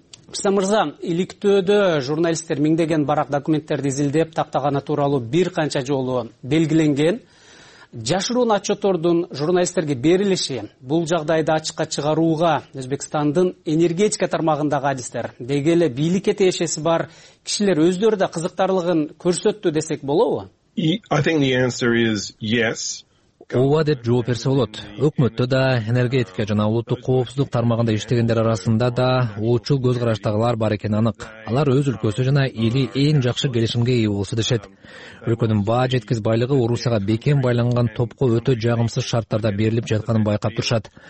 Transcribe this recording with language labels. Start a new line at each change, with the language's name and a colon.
Kyrgyz: Кристиан мырза, иликтөөдө журналисттер миңдеген барак документтерди изилдеп тактаганы тууралуу бир канча жолу белгиленген. Жашыруун отчеттордун журналисттерге берилиши, бул жагдайды ачыкка чыгарууга Өзбекстандын энергетика тармагындагы адистер, деги эле бийлик этээшеси бар кишилер өздөрү да кызыктарлыгын көрсөттү десек болобу?
English: I think the answer is yes.
Kyrgyz: Ооба деп жооп берсе болот. Өкмөттө да, энергетика жана улуттук коопсуздук тармагында иштегендер арасында да уучул көз караштагылар бар экени анык. Алар өз өлкөсү жана эли эң жакшы келишимге ээ болсо дешет. Өлкөнүн баа жеткис байлыгы Орусияга бекем байланган топко өтө жагымсыз шарттарда берилип жатканын байкап турушат.